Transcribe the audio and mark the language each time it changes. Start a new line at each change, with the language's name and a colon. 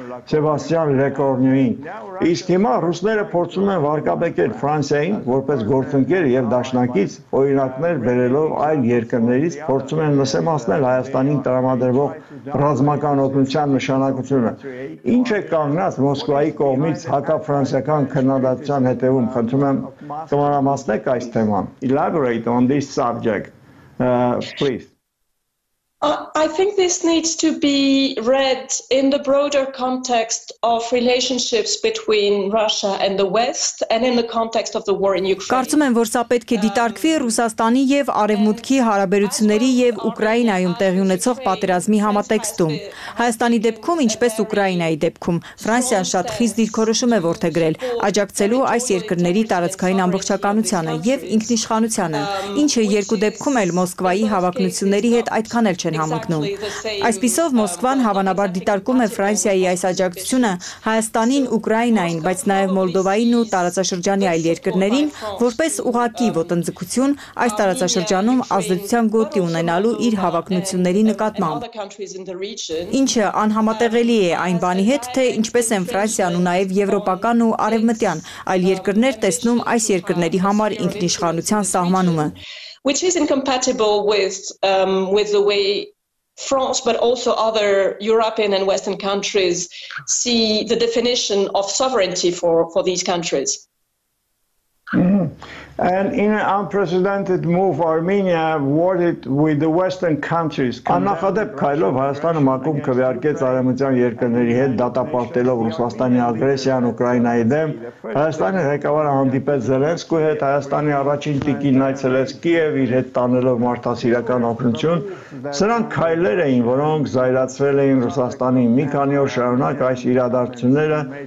Armenian: Սեբաստիան Լեկորնյուին։ Իսկ հիմա ռուսները փորձում են վարկաբեկել Ֆրանսիային որպես գործընկեր եւ դաշնակից, օրինակներ բերելով այլ երկրներից, փորձում են նսեմացնել Հայաստանին տրամադրվող ռազմական օգնության նշանակությունը։ Ինչ է կանգնած Մոսկվայի կողմից հակաֆրանսիական քննադատության հետևում, խնդրում
English: Elaborate on this subject, please. I think this needs to be read in the broader context of relationships between Russia and the West and in the context of the war in Ukraine.
Armenian: Կարծում եմ, որ սա պետք է դիտարկվի Ռուսաստանի եւ Արևմուտքի հարաբերությունների եւ Ուկրաինայում տեղի ունեցող պատերազմի համատեքստում։ Հայաստանի դեպքում, ինչպես Ուկրաինայի դեպքում, Ֆրանսիան շատ խիստ դիրքորոշում է որդե գրել աջակցելու այս երկրների տարածքային ամբողջականությանը եւ ինքնիշխանությանը, ինչը երկու դեպքում էլ Մոսկվայի հավակնությունների հետ այդքան էլ են համակնում։ Այսպիսով Մոսկվան հավանաբար դիտարկում է Ֆրանսիայի այս աջակցությունը Հայաստանին, Ուկրաինային, բայց նաև Մոլդովային ու տարածաշրջանի այլ երկրներին որպես ուղակի ոտնձգություն այս տարածաշրջանում ազդեցության գոտի ունենալու իր հավակնությունների նկատմամբ։ Ինչը անհամատեղելի է այն բանի հետ, թե ինչպես են Ֆրանսիան ու նաև եվրոպական ու արևմտյան այլ երկրներ տեսնում այս երկրների համար ինքնիշխանության սահմանումը,
English: which is incompatible with the way France but also other European and Western countries see the definition of sovereignty for these countries. Mm-hmm. And in an unprecedented move, Armenia awarded with the Western countries.
Armenian: Աննախադեպ քայլով Հայաստանը մակում քվեարկեց արևմտյան երկրների հետ, դատապարտելով Ռուսաստանի ագրեսիան Ուկրաինայի դեմ։ Հայաստանի ղեկավարը հանդիպեց Զելենսկու հետ, Հայաստանի առաջին տիկին այցելեց Կիև, իր հետ տանելով մարդասիրական օգնություն։ Սրանք քայլեր էին, որոնք զայրացրել էին Ռուսաստանի մի քանի օր շարունակ այս իրադարձությունները,